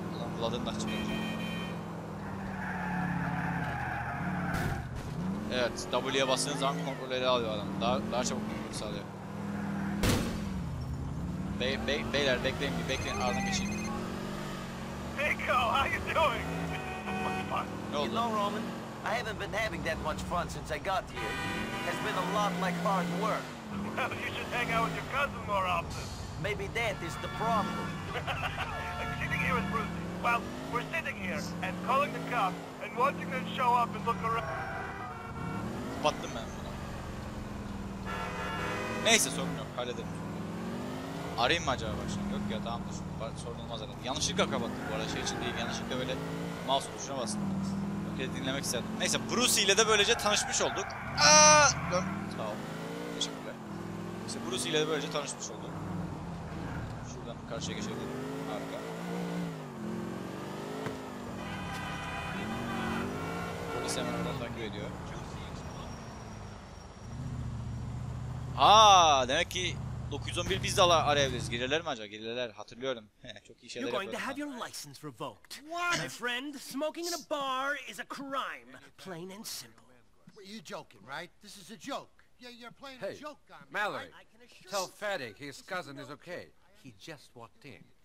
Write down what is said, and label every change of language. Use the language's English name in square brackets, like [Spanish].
[Turkish] Ulan Vlad'ın da çıkaracağım. Evet, W'ye bastığınız zaman kontrolü ele alıyor adam. Daha çabuk kontrolü sağlıyor. Beyler bekleyin, bir bekleyin, ardından geçeyim. [English] Nico, how you doing? [Turkish] Ne oldu? [English] You know, Roman, I haven't been having that much fun since I got here. Has been a lot like hard work. Well, you should hang out with your cousin more often. Maybe that is the problem. Sitting here with Brucey. Well, we're sitting here and calling the cops and watching them show up and look around. [Turkish] Battım ben buna. Neyse sorun yok, hallederim. Arayayım mı acaba başlayayım? Yok ya tamamdır, sorun olmaz herhalde. Yanlışlıkla kapattım bu arada, şey için değil. Yanlışlıkla böyle mouse tuşuna bastım. Dinlemek isterdim. Neyse, Brucey ile de böylece tanışmış olduk. Dön. Sağ ol. Teşekkürler. Neyse, Brucey ile de böylece tanışmış olduk. Şuradan karşıya geçebilirim. Harika. Polis hemen oradan takip ediyor. Aa, demek ki 911 biz de arayabiliriz. Girerler mi acaba? Girerler. Hatırlıyorum. Çok iyi şeyler yapıyorum. [English] Have your license revoked. What? My friend, smoking in a bar is a crime. Plain and simple. Well, you're joking, right? This is a joke. Yeah, you're playing hey, a joke on me. Mallory, tell Fatty his cousin is okay. He just walked in.